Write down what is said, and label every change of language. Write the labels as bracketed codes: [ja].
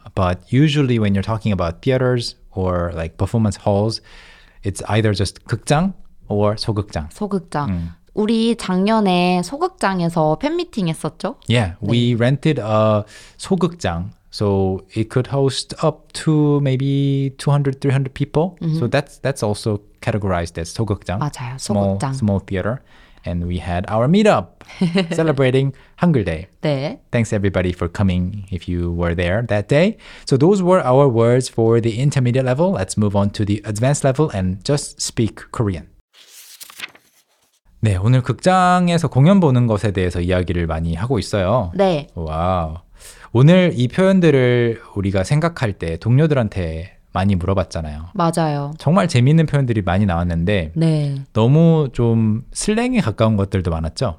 [en] But usually when you're talking about theaters or like performance halls, it's either just 극장 or 소극장. [ko] 소극장. 우리 작년에 소극장에서 팬미팅 했었죠? [en] Yeah, we 네. rented a 소극장. So it could host up to maybe 200, 300 people. Mm-hmm. So that's also categorized as 소극장. [ko] 맞아요, 소극장. [en] Small theater. And we had our meetup celebrating Hangul Day. [ko] 네. [en] Thanks everybody for coming if you were there that day. So those were our words for the intermediate level. Let's move on to the advanced level and just speak Korean. [ko] 네, 오늘 극장에서 공연 보는 것에 대해서 이야기를 많이 하고 있어요. 네. 와우. 오늘 이 표현들을 우리가 생각할 때 동료들한테 많이 물어봤잖아요. 맞아요. 정말 재미있는 표현들이 많이 나왔는데 네. 너무 좀 슬랭에 가까운 것들도 많았죠?